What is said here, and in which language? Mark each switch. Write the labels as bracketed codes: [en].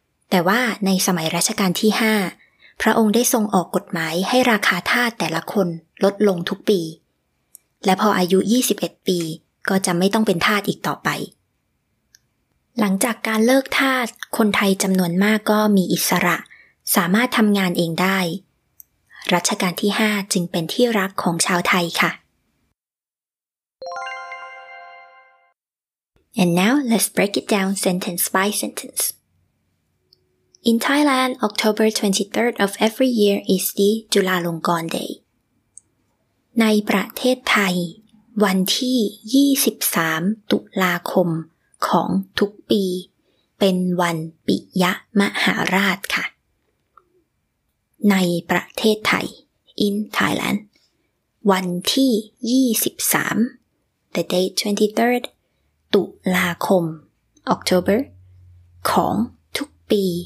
[th] แต่ว่าในสมัยรัชกาลที่5พระองค์ได้ทรงออกกฎหมายให้ราคาทาสแต่ละคนลดลงทุกปีและพออายุ21ปีก็จะไม่ต้องเป็นทาสอีกต่อไปหลังจากการเลิกทาสคนไทยจำนวนมากก็มีอิสระสามารถทำงานเองได้รัชกาลที่5จึงเป็นที่รักของชาวไทยค่ะ [en] And now let's break it down sentence by sentence. In Thailand, October 23rd of every year is the จุฬาลงกรณ์ Day. [th] ในประเทศไทยวันที่23ตุลาคมของทุกปีเป็นวันปิยมหาราชค่ะ ในประเทศไทย [en] in Thailand [th] วันที่23 [en] the date 23rd [th] ตุลาคม October ของทุกปี